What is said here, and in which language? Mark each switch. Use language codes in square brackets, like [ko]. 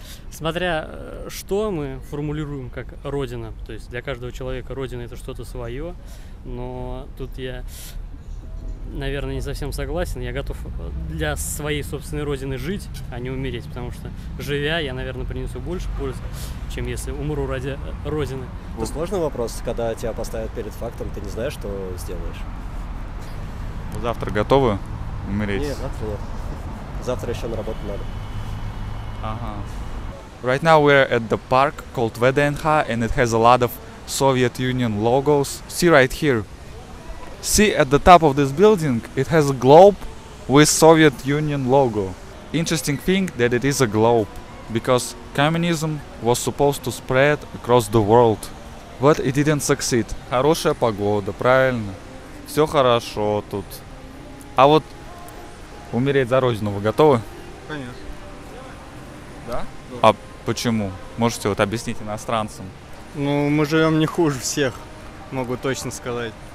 [ru] Смотря что мы формулируем как родина, то есть для каждого человека родина это что-то свое, но тут я, наверное, не совсем согласен, я готов для своей собственной родины жить, а не умереть, потому что живя я, наверное, принесу больше пользы, чем если умру ради родины. Это сложный вопрос, когда тебя поставят перед фактом, ты не знаешь, что сделаешь. Завтра готовы? Умереть. Нет, завтра нет. Завтра еще на работу надо. Ага. [en] Right now we're at the park called VDNH and it has a lot of Soviet Union logos. See right here. See at the top of this building, it has a globe with Soviet Union logo. Interesting thing that it is a globe, because communism was supposed to spread across the world. But it didn't succeed. [ru] Хорошая погода, правильно? Все хорошо тут. А вот умереть за родину вы готовы? Конечно. Да? А почему? Можете вот объяснить иностранцам? Ну, мы живем не хуже всех, могу точно сказать.